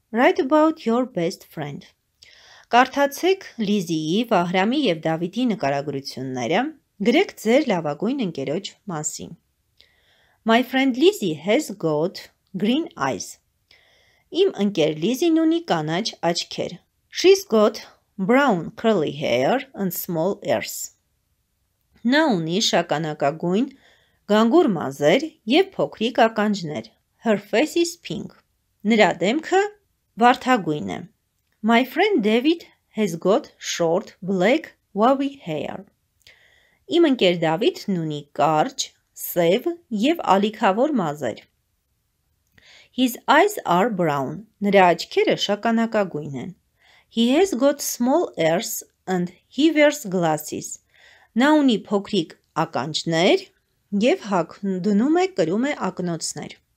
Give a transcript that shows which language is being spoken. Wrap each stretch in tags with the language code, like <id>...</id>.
<en>Write about your best friend.</en> <hy>Կարդացեք Lizzie-ի, Vahram-ի և David-ի նկարագրությունները, գրեք ձեր լավագույն ընկերոջ մասին.</hy> <en>My friend Lizzie has got green eyes.</en> <hy>Իմ ընկեր Lizzie-ն ունի կանաչ աչքեր.</hy> <en>She's got brown curly hair and small ears.</en> <hy>Նա ունի շականակագույն գանգուր մազեր եւ փոքրիկ ականջներ.</hy> <en>Her face is pink.</en> <hy>Նրա դեմքը վարդագույն է.</hy> <en>My friend David has got short black wavy hair.</en> <hy>Իմ ընկեր Դավիթն ունի կարճ, սև եւ ալիքավոր մազեր.</hy> <en>His eyes are brown.</en> <hy>Նրա աչքերը շականակագույն են.</hy> <en>He has got small ears and he wears glasses.</en> <hy>Նա ունի փոքրիկ ականջներ և հակ դնում է կրում է ակնոցներ.</hy>